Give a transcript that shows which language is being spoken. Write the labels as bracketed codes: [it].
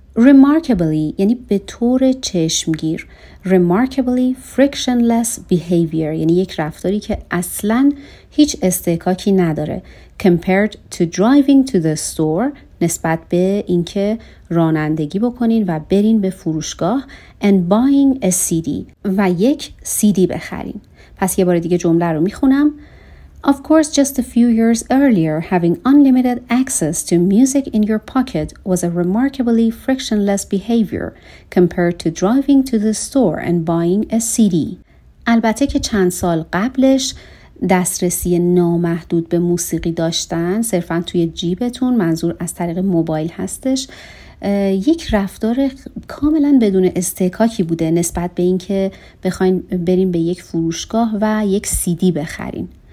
[fa] remarkably یعنی به طور چشمگیر. [en] remarkably frictionless behavior [fa] یعنی یک رفتاری که اصلا هیچ استکاکی نداره. [en] compared to driving to the store، [fa] نسبت به اینکه رانندگی بکنین و برین به فروشگاه، [en] and buying a CD، [fa] و یک CD بخرین. پس یه بار دیگه جمله رو میخونم. [en] Of course, just a few years earlier, having unlimited access to music in your pocket was a remarkably frictionless behavior compared to driving to the store and buying a CD. [fa] البته که چند سال قبلش دسترسی نامحدود به موسیقی داشتن صرفا توی جیبتون منظور از طریق موبایل هستش یک رفتار کاملا بدون استحکاکی بوده نسبت به اینکه بخواین بریم به یک فروشگاه و یک سی دی بخرین.